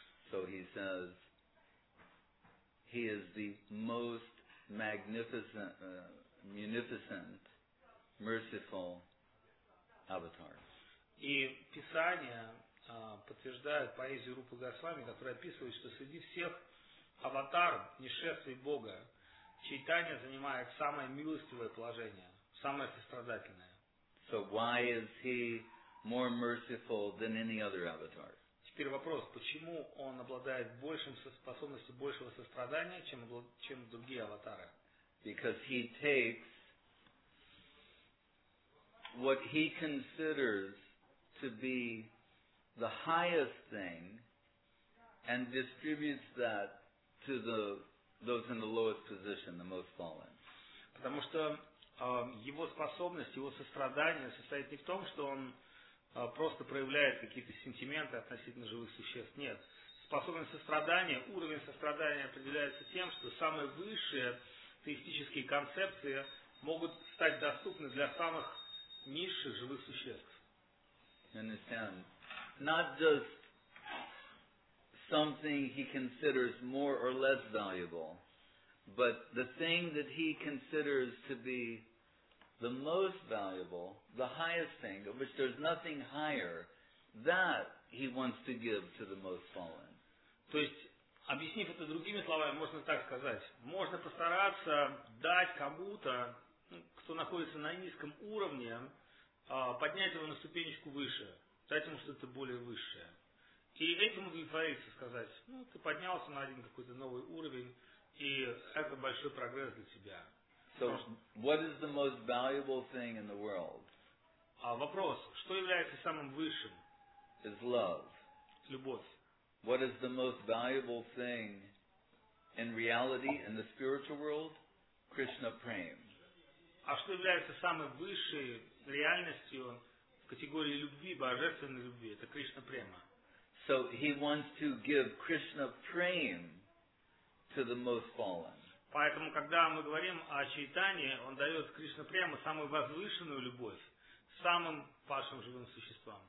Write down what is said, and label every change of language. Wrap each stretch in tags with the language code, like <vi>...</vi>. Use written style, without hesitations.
<en>So he says he is the most munificent, merciful avatar.</en> <ru>И Писание подтверждает поэзию Рупы Госвами, которая описывает, что среди всех аватар, нишествий Бога, Чайтанья занимает самое милостивое положение, самое сострадательное.</ru> <en>So why is he more merciful than any other avatar?</en> <ru>Теперь вопрос, почему он обладает большим способностью большего сострадания, чем другие аватары?</ru> <en>Because he takes what he considers to be the highest thing and distributes that to those in the lowest position, the most fallen.</en> <ru>Потому что его способность, его сострадание состоит не в том, что он просто проявляет какие-то сентименты относительно живых существ. Нет. Способность сострадания, уровень сострадания определяется тем, что самые высшие теистические концепции могут стать доступны для самых низших живых существ.</ru> <en>Understand? Not just something he considers more or less valuable, but the thing that he considers to be the most valuable, the highest thing, of which there's nothing higher, that he wants to give to the most fallen.</en> <ru>То есть, объяснив это другими словами, можно так сказать. Можно постараться дать кому-то, кто находится на низком уровне, поднять его на ступенечку выше, дать ему что-то более высшее. И этим удовлетвориться, сказать, ну, ты поднялся на один какой-то новый уровень, и это большой прогресс для тебя.</ru> <en>So, what is the most valuable thing in the world?</en> <ru>Вопрос, что является самым высшим?</ru> <en>Is love.</en> <ru>Любовь.</ru> <en>What is the most valuable thing in reality, in the spiritual world? Krishna prema.</en> <ru>А что является самой высшей реальностью в категории любви, божественной любви? Это Кришна према.</ru> <en>So, he wants to give Krishna prema to the most fallen.</en> <ru>Поэтому, когда мы говорим о Чайтанье, он дает Кришна прему самую возвышенную любовь самым падшим живым существам.</ru>